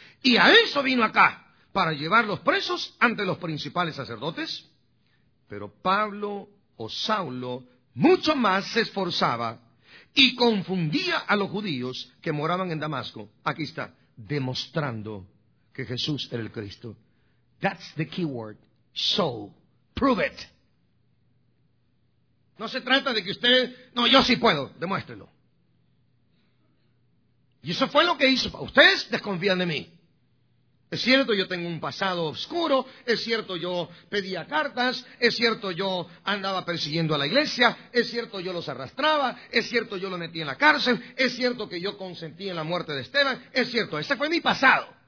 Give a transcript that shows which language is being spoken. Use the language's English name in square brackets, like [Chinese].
[Spanish] Y a eso vino acá, para llevarlos presos ante los principales sacerdotes. Pero Pablo, o Saulo, mucho más se esforzaba y confundía a los judíos que moraban en Damasco. Aquí está, demostrando que Jesús era el Cristo. [English] That's the key word, so, prove it. [Spanish] No se trata de que usted, no, yo sí puedo, demuéstrelo. Y eso fue lo que hizo, ustedes desconfían de mí. Es cierto, yo tengo un pasado oscuro, es cierto, yo pedía cartas, es cierto, yo andaba persiguiendo a la iglesia, es cierto, yo los arrastraba, es cierto, yo lo metí en la cárcel, es cierto que yo consentí en la muerte de Esteban, es cierto, ese fue mi pasado.